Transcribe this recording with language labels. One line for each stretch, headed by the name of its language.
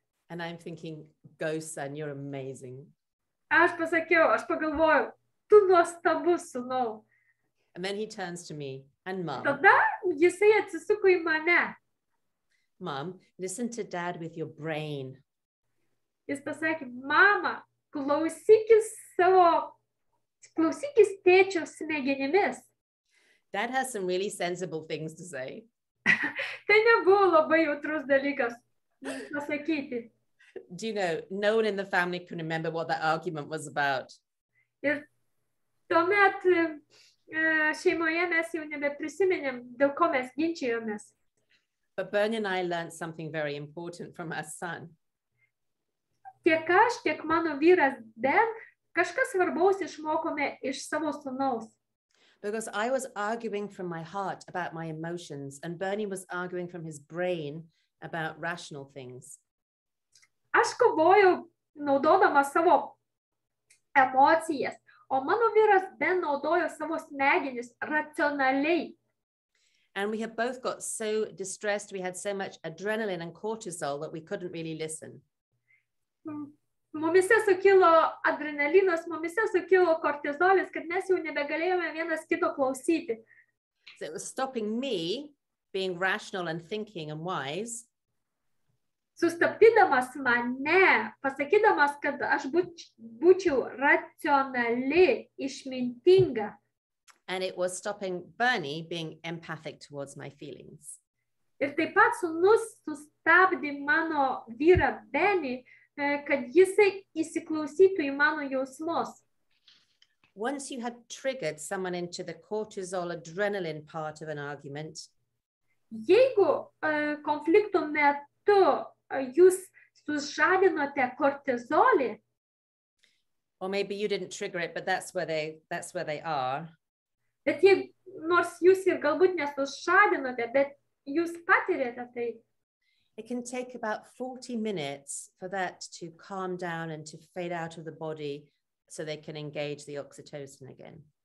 English: And I'm thinking, go son, you're amazing.
Lithuanian: Aš pagalvojau, tu nuostabus, sūnau.
English: And then he turns to me and mom.
Lithuanian: Tada jisai atsisuko į mane.
English: Mom, listen to dad with your brain.
Lithuanian: Jis pasakė, mama, klausykis tėčio smegenimis.
English: Dad has some really sensible things to say.
Lithuanian: Tai nebuvo labai jautrus dalykas pasakyti.
English: Do you know, no one in the family can remember what that argument was about.
Lithuanian: Ir tuomet šeimoje mes jau nebeprisiminėm, dėl ko mes ginčijomės.
English: But Bernie and I learned something very important from our son.
Lithuanian: Tiek aš, tiek mano vyras Ben, kažkas svarbaus išmokome iš savo sūnaus.
English: Because I was arguing from my heart about my emotions and Bernie was arguing from his brain about rational things.
Lithuanian: Aš kovojau naudodama savo emocijas, o mano vyras Ben naudojo savo smegenis racionaliai.
English: And we had both got so distressed, we had so much adrenaline and cortisol that we couldn't really listen.
Lithuanian: Mumise sukilo adrenalinas, mumise sukilo kortizolis, kad mes jau nebegalėjome vienas kito klausyti.
English: So it was stopping me being rational and thinking and wise.
Lithuanian: Sustabdydamas mane, pasakydamas, kad aš būčiau racionali, išmintinga.
English: And it was stopping Bernie being empathic towards my feelings.
Lithuanian: Ir taip pat sūnus sustabdė mano vyrą Benį, kad jisai įsiklausytų į mano jausmus.
English: Once you had triggered someone into the cortisol adrenaline part of an argument,
Lithuanian: jeigu konflikto metu jūs sužadinote kortizolį.
English: Or maybe you didn't trigger it, but that's where they are.
Lithuanian: Bet jei, nors jūs ir galbūt nesužadinote, bet jūs patirėte tai.
English: It can take about 40 minutes for that to calm down and to fade out of the body so they can engage the oxytocin again.